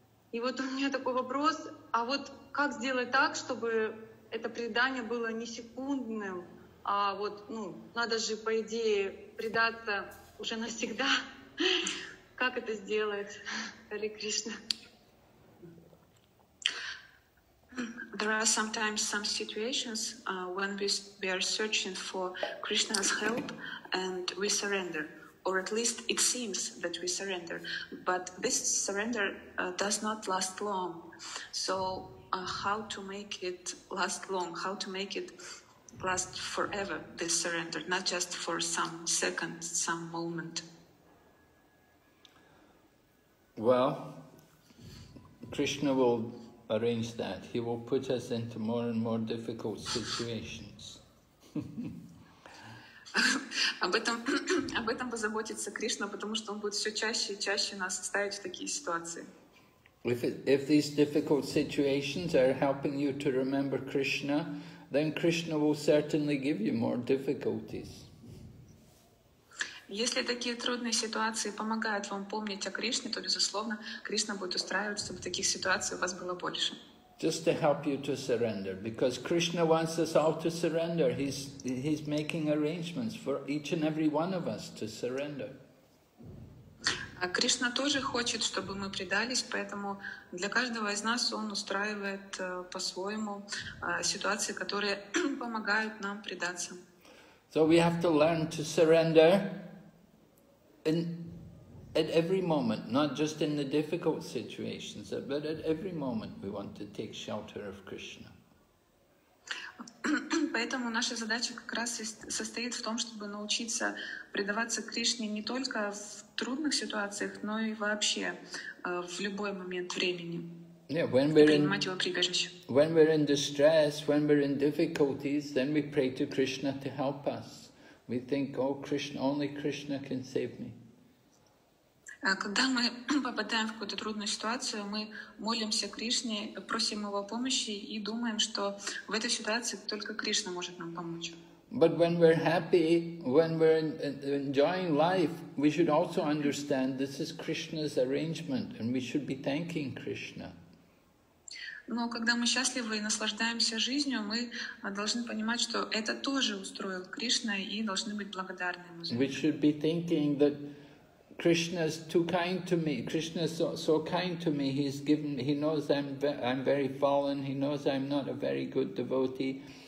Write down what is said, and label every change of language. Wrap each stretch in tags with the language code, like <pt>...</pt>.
<ru>И вот у меня такой вопрос, а вот как сделать так, чтобы это предание было не секундным? А вот, ну, надо же, по идее, предаться уже навсегда. Как это сделать, Харе Кришна?</ru> <en>There are sometimes some situations when we are searching for Krishna's help and we surrender. Or at least it seems that we surrender. But this surrender does not last long. So how to make it last long? How to make it last forever, this surrender, not just for some second, some moment. Well, Krishna will arrange that. He will put us into more and more difficult situations.</en> <ru>Об этом позаботится Кришна, потому что он будет все чаще и чаще нас ставить в такие ситуации.</ru> <en>If these difficult situations are helping you to remember Krishna, then Krishna will certainly give you more difficulties.</en> <ru>Если такие трудные ситуации помогают вам помнить о Кришне, то безусловно, Кришна будет устраивать, чтобы таких ситуаций у вас было больше.</ru> <en>Just to help you to surrender, because Krishna wants us all to surrender. He's making arrangements for each and every one of us to surrender.</en> <ru>А Кришна тоже хочет, чтобы мы предались, поэтому для каждого из нас Он устраивает по-своему ситуации, которые помогают нам предаться.</ru> <en>So we have to learn to surrender at every moment, not just in the difficult situations, but at every moment we want to take shelter of Krishna.</en> <ru>Поэтому наша задача как раз состоит в том, чтобы научиться предаваться Кришне не только в трудных ситуациях, но и вообще в любой момент времени.</ru> <en>Yeah, when we're</en> <ru>принимать его прибежище.</ru> <en>When we're in distress, when we're in difficulties, then we pray to Krishna to help us. We think, oh, Krishna, only Krishna can save me.</en> <ru>Когда мы попадаем в какую-то трудную ситуацию, мы молимся Кришне, просим его помощи и думаем, что в этой ситуации только Кришна может нам помочь.</ru> <en>But when we're happy, when we're enjoying life, we should also understand this is Krishna's arrangement and we should be thanking Krishna.</en> <ru>Но когда мы счастливы и наслаждаемся жизнью, мы должны понимать, что это тоже устроил Кришна и должны быть благодарны ему.</ru> <en>We should be thinking that Krishna is too kind to me. Krishna is so kind to me. He knows I'm very fallen. He knows I'm not a very good devotee.</en>